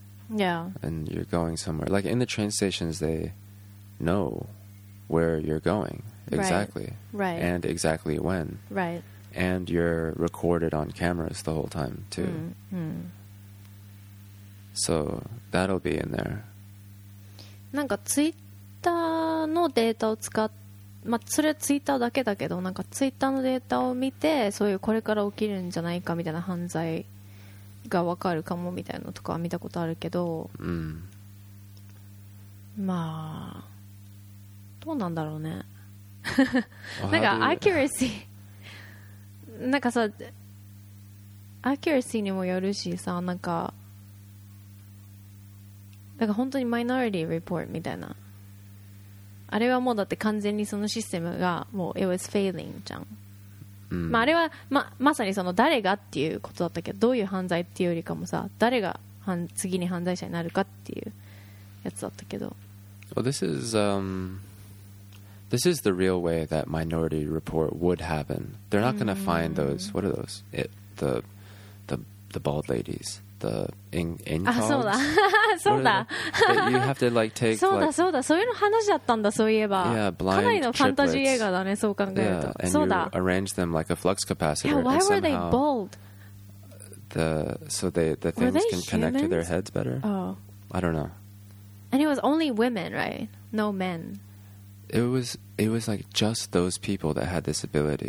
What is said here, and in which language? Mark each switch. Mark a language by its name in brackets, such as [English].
[English] yeah, and you're going somewhere, like in the train stations, they know where you're going exactly, right, and exactly when, right, and you're recorded on cameras the whole time too. So that'll be in there. [Japanese] なんかツイッターのデータを使ってまあ、それはツイッターだけだけど、なんかツイッターのデータを見てそういうこれから起きるんじゃないかみたいな犯罪が分かるかもみたいなのとかは見たことあるけど、まあどうなんだろうね。なんかアキュラシーなんかさアキュラシーにもよるしさ、なんか本当にマイノリティリポートみたいな、あれはもうだって完全にそのシステムがもう [English] it was failing [Japanese] じゃん。まああれは まさにその誰がっていうことだったけど、どういう犯罪っていうよりかもさ、誰が次に犯罪者になるかっていうやつだったけど。 [English] Well, this is the real way that Minority Report would happen. They're not gonna find those. What are those? The bald ladies. The in [Japanese] あ、そうだ。そうだ。 [English] You have to like take, [Japanese] そうだ、そうだ。そういうの話だったんだ、そういえば。 [English] Yeah, blind [Japanese] かなりのファンタジー映画だね、そう考えると。 [English] Yeah, [Japanese] そうだ。 [English] And you arrange them like a flux capacitor. Yeah, why were they bald? So the things can connect to their heads better? Oh. I don't know. And it was only women, right? No men. It was like just those people that had this ability.